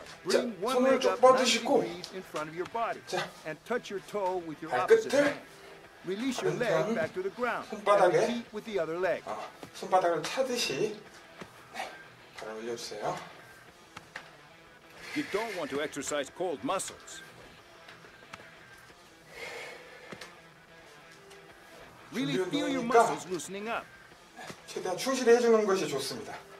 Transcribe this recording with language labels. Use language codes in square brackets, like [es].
[ko] 자, 손을 쭉 뻗으시고 자, 발끝을 반대편 손바닥에 손바닥을 차듯이 올려주세요. [en] You don't want to exercise cold muscles. Really feel your muscles loosening up. [ko] 최대한 충실히 해주는 것이 좋습니다.